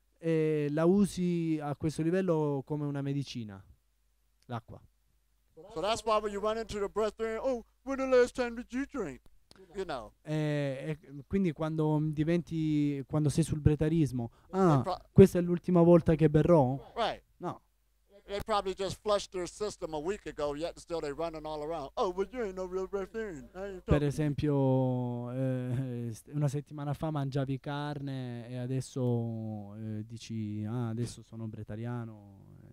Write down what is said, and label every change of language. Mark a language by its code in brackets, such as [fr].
[it] E la usi a questo livello come una medicina, l'acqua. [en] So that's why when you run into the breath drain, oh, when the last time did you drink? You know. [it] E quindi quando sei sul breatharismo, questa è l'ultima volta che berrò? [en] Right. No. They probably just flushed their system a week ago, yet still they're running all around. Oh, but you ain't no real breatharian. [it] Per esempio, una settimana fa mangiavi carne e adesso dici, adesso sono breatariano.